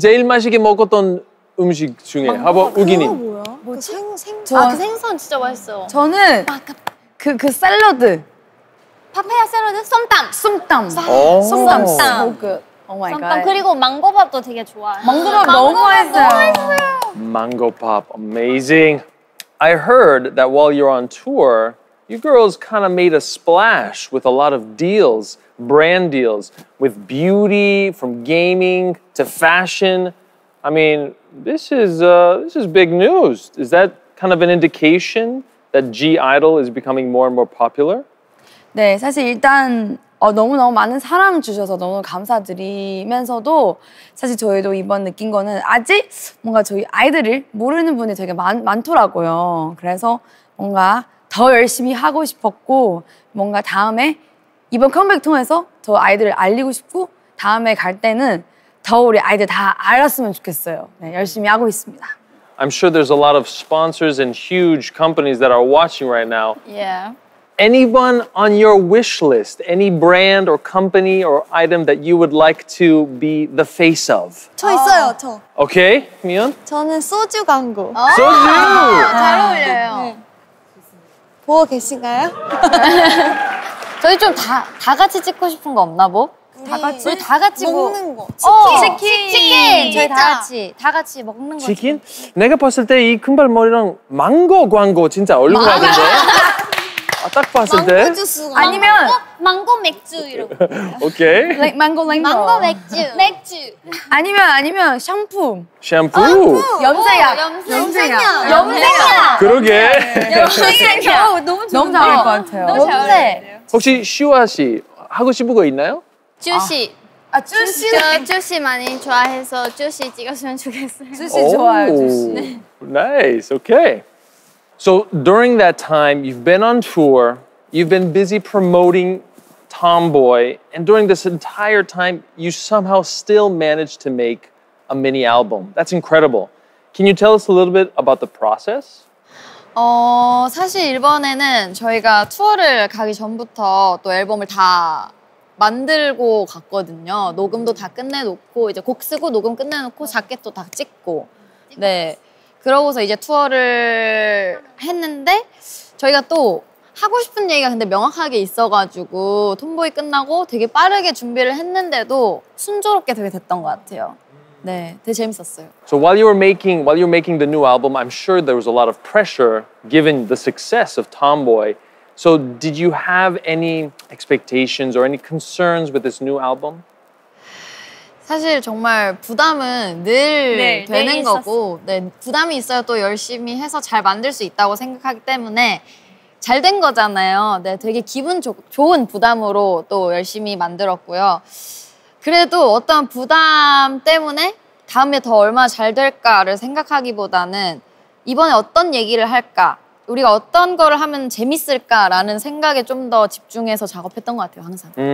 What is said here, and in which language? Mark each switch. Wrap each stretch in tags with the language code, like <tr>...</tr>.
<ko>제일 맛있게 먹었던 음식 중에 하버 우기님. 생선. 아, 그 생선 진짜 맛있어. 저는 그 샐러드. 파파야 샐러드? 썸땀. 썸땀. 썸땀. 썸땀. 썸땀. 그리고 망고밥도 되게 좋아. 망고밥 너무 맛있어요. 망고밥,</ko> <en>amazing. I heard that while you're on tour, you girls kind of made a splash with a lot of deals, brand deals, with beauty, from gaming to fashion. I mean, this is big news. Is that kind of an indication that G-IDOL is becoming more and more popular?</en> <ko>네, 사실 일단 너무너무 많은 사랑 주셔서 너무 감사드리면서도 사실 저희도 이번 느낀 거는 아직 뭔가 저희 아이들을 모르는 분이 되게 많더라고요. 그래서 뭔가 더 열심히 하고 싶었고 뭔가 다음에 이번 컴백 통해서 더 아이들을 알리고 싶고 다음에 갈 때는 더 우리 아이들 다 알았으면 좋겠어요. 네, 열심히 하고 있습니다.</ko> <en>I'm sure there's a lot of sponsors and huge companies that are watching right now. Yeah. Anyone on your wish list? Any brand or company or item that you would like to be the face of?</en> <ko>저 있어요, 저.</ko> <en>Okay, 미연?</en> <ko>저는 소주 광고. 소주! 잘 어울려요. 네. 보고 계신가요? 저희 좀 다 같이 찍고 싶은 거 없나 보? 다 같이 먹는 거. 치킨! 저희 다 같이. 다 같이 먹는 거. 치킨? 내가 봤을 때 이 금발 머리랑 망고 광고 진짜 얼굴하던데? 딱 봤을 때 망고 주스 아니면 망고 맥주 이런</ko> <en>오케이 망고 랭거</en> <ko>망고 맥주 맥주 아니면 샴푸 샴푸 염색약 염색약 염색약 그러게 염색약 너무 잘 어울릴 것 같아요 너무 잘 어울려요 혹시 슈아 씨 하고 싶은 거 있나요? 주시 아 주시 저 주시 많이 좋아해서 주시 찍었으면 좋겠어요 주시 좋아요 주시</ko> <en>나이스 오케이 So during that time, you've been on tour, you've been busy promoting Tomboy, and during this entire time, you somehow still managed to make a mini album. That's incredible. Can you tell us a little bit about the process?</en> <ko>사실 이번에는 저희가 투어를 가기 전부터 또 앨범을 다 만들고 갔거든요. 녹음도 다 끝내놓고, 이제 곡 쓰고 녹음 끝내놓고, 자켓도 다 찍고. 네. 그러고서 이제 투어를 했는데 저희가 또 하고 싶은 얘기가 근데 명확하게 있어가지고 톰보이 끝나고 되게 빠르게 준비를 했는데도 순조롭게 되게 됐던 것 같아요. 네, 되게 재밌었어요.</ko> <en>So while you were making the new album, I'm sure there was a lot of pressure given the success of Tomboy. So did you have any expectations or any concerns with this new album?</en> <ko>사실 정말 부담은 늘 네, 되는 네, 거고 네, 부담이 있어야 또 열심히 해서 잘 만들 수 있다고 생각하기 때문에 잘 된 거잖아요. 네, 되게 기분 좋은 부담으로 또 열심히 만들었고요. 그래도 어떤 부담 때문에 다음에 더 얼마나 잘 될까를 생각하기보다는 이번에 어떤 얘기를 할까, 우리가 어떤 거를 하면 재밌을까라는 생각에 좀 더 집중해서 작업했던 것 같아요, 항상.</ko>